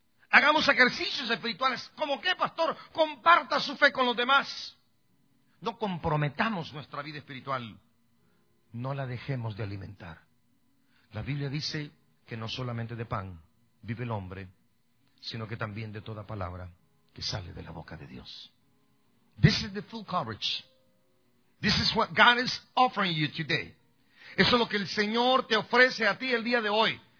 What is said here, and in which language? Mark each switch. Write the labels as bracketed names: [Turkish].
[Spanish] Hagamos ejercicios espirituales. ¿Cómo qué, pastor? Comparta su fe con los demás. No comprometamos nuestra vida espiritual. No la dejemos de alimentar. La Biblia dice que no solamente de pan vive el hombre, sino que también de toda palabra que sale de la boca de Dios. [English] This is the full coverage. This is what God is offering you today. [Spanish] Eso es lo que el Señor te ofrece a ti el día de hoy.